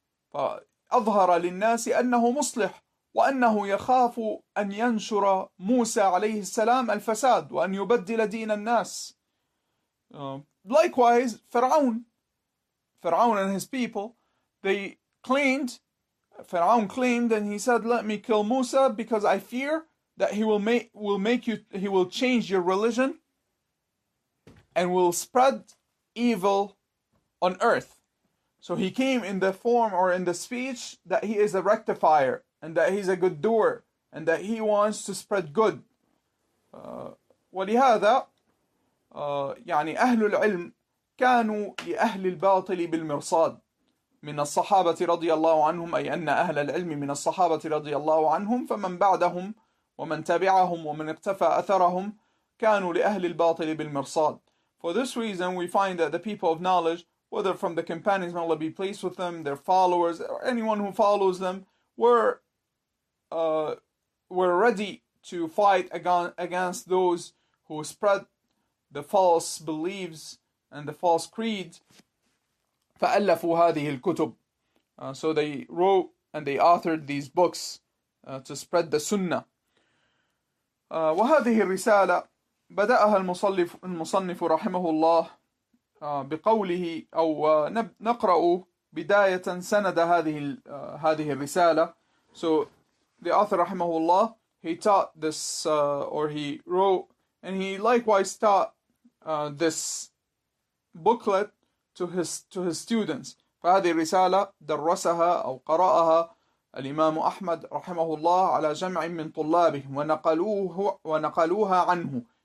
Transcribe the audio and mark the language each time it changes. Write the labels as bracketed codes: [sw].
[ar] فأظهر للناس أنه مصلح وأنه يخاف أن ينشر موسى عليه السلام الفساد وأن يبدل دين الناس. [en] Likewise, Fir'aun and his people, Fir'aun claimed and he said, let me kill Musa because I fear that he will change your religion and will spread evil on earth. So he came in the form or in the speech that he is a rectifier and that he's a good doer and that he wants to spread good. [ar] ولهذا يعني أهل العلم كانوا لأهل الباطل بالمرصاد من الصحابة رضي الله عنهم أي أن أهل العلم من الصحابة رضي الله عنهم فمن بعدهم ومن تبعهم ومن اقتفى أثرهم كانوا لأهل الباطل بالمرصاد. [en] For this reason we find that the people of knowledge, whether from the companions, may Allah be pleased with them, their followers, or anyone who follows them, were ready to fight against those who spread the false beliefs and the false creeds. [ar] فألفوا هذه الكتب. [en] So they wrote and they authored these books to spread the sunnah. [ar] وهذه الرسالة بدأها المصنف رحمه الله بقوله أو نقرأ بداية سند هذه الرسالة. [en] So the author [ar] رحمه الله, [en] he taught this or he wrote and he likewise taught this booklet to his students. [ar] فهذه الرسالة درسها أو قرأها الإمام أحمد رحمه الله على جمع من طلابه ونقلوها عنه.